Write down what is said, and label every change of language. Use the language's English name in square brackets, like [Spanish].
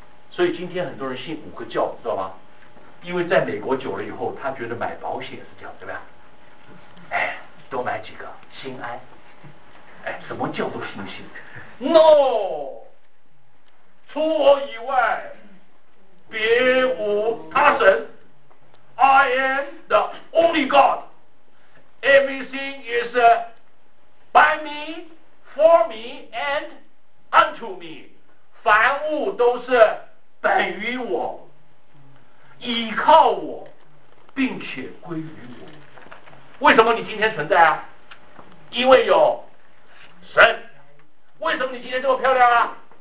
[Chinese] 所以今天很多人信五个教，知道吗？因为在美国久了以后，他觉得买保险是这样，对吧？哎，多买几个心安。哎，什么叫做信心 ？No， 除我以外，别无他神。 [English] I am the only God. Everything is by me, for me, and unto me. [Chinese] 凡物都是本于我，依靠我，并且归于我。为什么你今天存在啊？因为有神。为什么你今天这么漂亮啊？